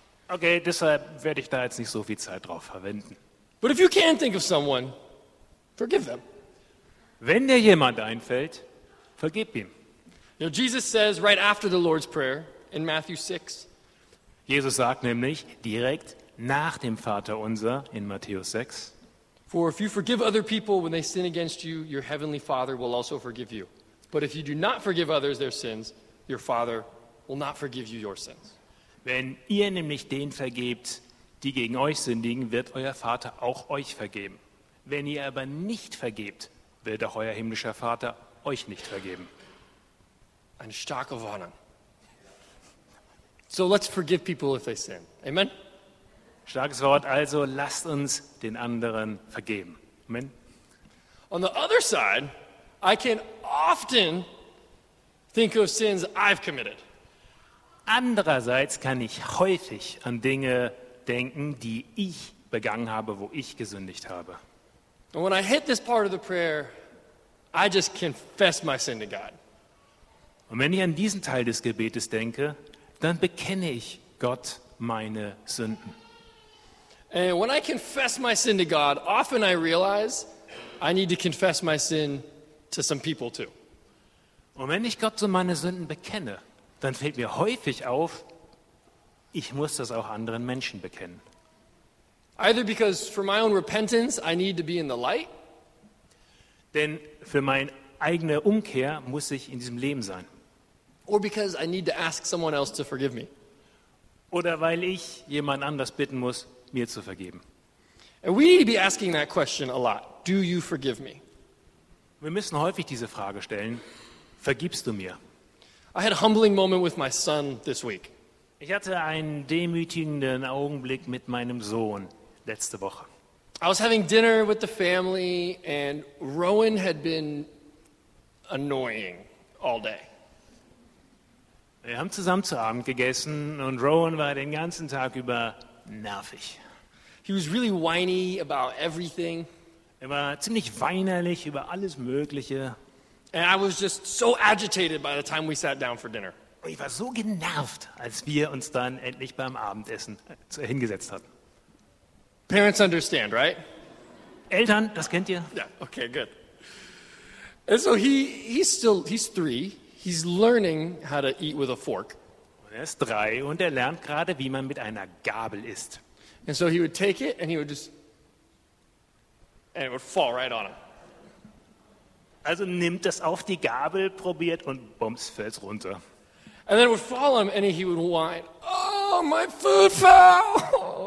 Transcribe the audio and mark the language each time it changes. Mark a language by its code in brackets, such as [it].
[de] Okay, deshalb werde ich da jetzt nicht so viel Zeit drauf verwenden. [en] But if you can think of someone, forgive them. [de] Wenn dir jemand einfällt, vergib ihm. [en] Now Jesus says right after the Lord's Prayer in Matthew 6. [de] Jesus sagt nämlich direkt nach dem Vater unser in Matthäus 6. [en] For if you forgive other people when they sin against you, your heavenly Father will also forgive you. But if you do not forgive others their sins, your Father will not forgive you your sins. [de] Wenn ihr nämlich denen vergebt, die gegen euch sündigen, wird euer Vater auch euch vergeben. Wenn ihr aber nicht vergebt, wird auch euer himmlischer Vater euch nicht vergeben. Eine starke Warnung. [en] So let's forgive people if they sin. Amen? [de] Starkes Wort, also lasst uns den anderen vergeben. Amen? [en] On the other side, I can often think of sins I've committed. [de] Andererseits kann ich häufig an Dinge denken, die ich begangen habe, wo ich gesündigt habe. [en] And when I hit this part of the prayer, I just confess my sin to God. [de] Und wenn ich an diesen Teil des Gebetes denke, dann bekenne ich Gott meine Sünden. [en] And when I confess my sin to God, often I realize I need to confess my sin to some people too. [de] Und wenn ich Gott so meine Sünden bekenne, dann fällt mir häufig auf, ich muss das auch anderen Menschen bekennen. [en] Either because for my own repentance, I need to be in the light. [de] Denn für mein eigene Umkehr muss sich in diesem Leben sein. [en] Or because I need to ask someone else to forgive me. [de] Oder weil ich jemand anders bitten muss, mir zu vergeben. [en] And we need to be asking that question a lot. Do you forgive me? [de] Wir müssen häufig diese Frage stellen. Vergibst du mir? [en] I had a humbling moment with my son this week. [de] Ich hatte einen demütigenden Augenblick mit meinem Sohn letzte Woche. [en] I was having dinner with the family and Rowan had been annoying all day. [de] Wir haben zusammen zu Abend gegessen und Rowan war den ganzen Tag über nervig. [en] He was really whiny about everything. [de] Er war ziemlich weinerlich über alles Mögliche. [en] And I was just so agitated by the time we sat down for dinner. [de] Und ich war so genervt, als wir uns dann endlich beim Abendessen hingesetzt hatten. [en] Parents understand, right? [de] Eltern, das kennt ihr. [en] Yeah, okay, good. And so he's three. He's learning how to eat with a fork. [de] Und er ist drei und er lernt gerade, wie man mit einer Gabel isst. [en] And so he would take it and he would just, and it would fall right on him. [de] Also nimmt das auf die Gabel, probiert und bums, fällt's runter. [en] And then it would fall on him and he would whine, oh, my food fell!